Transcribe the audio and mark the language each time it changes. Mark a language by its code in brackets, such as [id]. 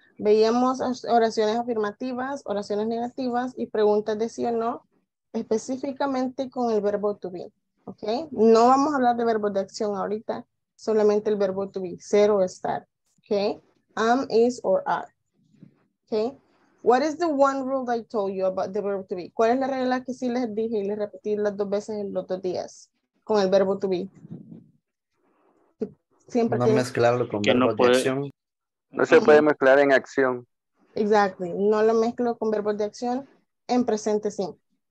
[es] Veíamos oraciones afirmativas, oraciones negativas y preguntas de sí o no, específicamente con el verbo to be, ¿ok? No vamos a hablar de verbos de acción ahorita, solamente el verbo to be, ser o estar, ¿ok? [en] Am, is, or are, ¿ok? What is the one rule I told you about the verb to be? [es] ¿Cuál es la regla que sí les dije y les repetí las dos veces en los dos días con el verbo to be? Siempre no mezclarlo con verbo no de acción. No se puede mezclar en acción. [en] Exactly. [es] No lo mezclo con verbos de acción en presente simple.